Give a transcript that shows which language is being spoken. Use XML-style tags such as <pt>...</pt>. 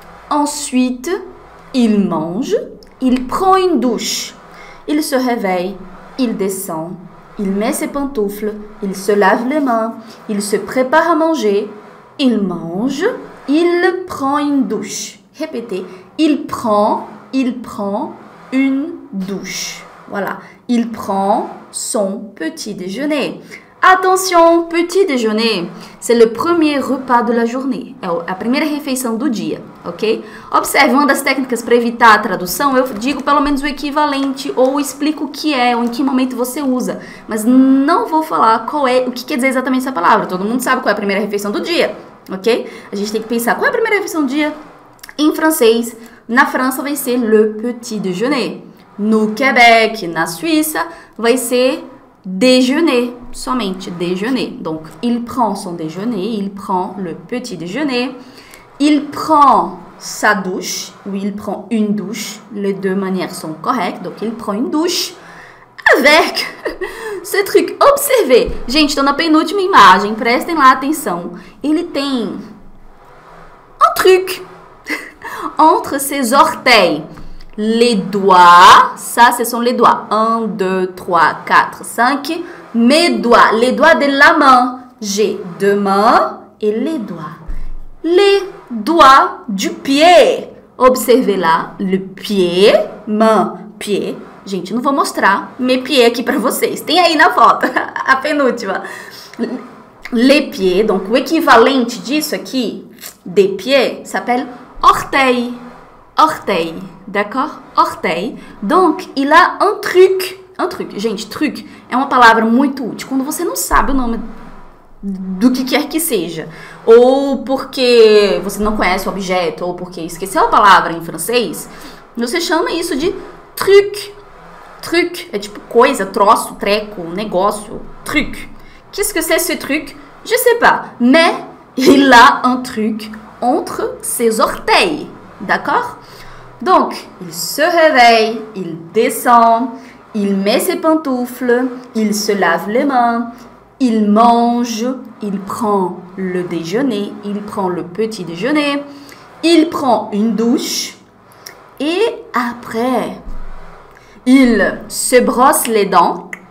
<fr>Ensuite, il mange, il prend une douche, il se réveille, il descend, il met ses pantoufles, il se lave les mains, il se prépare à manger, il mange, il prend une douche. Répétez, il prend une douche. Voilà, il prend son petit déjeuner. Attention, petit déjeuner, c'est le premier repas de la journée.</fr> <pt>É a primeira refeição do dia, ok? Observe, uma das técnicas para evitar a tradução, eu digo pelo menos o equivalente ou explico o que é ou em que momento você usa. Mas não vou falar qual é, o que quer dizer exatamente essa palavra. Todo mundo sabe qual é a primeira refeição do dia, ok? A gente tem que pensar qual é a primeira refeição do dia. Em francês, na França vai ser</pt> <fr>le petit déjeuner.</fr> <pt>No Québec, na Suíça, vai ser déjeuner, somente déjeuner.</pt> <fr>Donc, il prend son déjeuner, il prend le petit déjeuner. Il prend sa douche, ou il prend une douche. Les deux manières sont correctes, donc il prend une douche. Avec ce truc, observez.</fr> <pt>Gente, tô na penúltima imagem, prestem lá atenção. Ele tem um truc</pt> <fr>entre ses orteils. Les doigts, ça ce sont les doigts. 1, 2, 3, 4, 5. Mes doigts, les doigts de la main. J'ai deux mains et les doigts. Les doigts du pied. Observez là, le pied, main, pied.</fr> <pt>Gente, não vou mostrar</pt> <fr>mes pieds</fr> <pt>aqui para vocês. Tem aí na foto, a penúltima.</pt> <fr>Les pieds, donc</fr> <pt>o équivalente disso aqui,</pt> <fr>des pieds, s'appelle orteils. Orteil, d'accord? Orteil. Donc, il a un truc. Un truc.</fr> <pt>Gente, truc é uma palavra muito útil. Quando você não sabe o nome do que quer que seja. Ou porque você não conhece o objeto. Ou porque esqueceu a palavra em francês. Você chama isso de truc. Truc. É tipo coisa, troço, treco, negócio.</pt> <fr>Truc. Qu'est-ce que c'est ce truc? Je sais pas. Mais, il a un truc entre ses orteils. D'accord? Donc, il se réveille, il descend, il met ses pantoufles, il se lave les mains, il mange, il prend le déjeuner, il prend le petit déjeuner, il prend une douche et après, il se brosse les dents.</fr>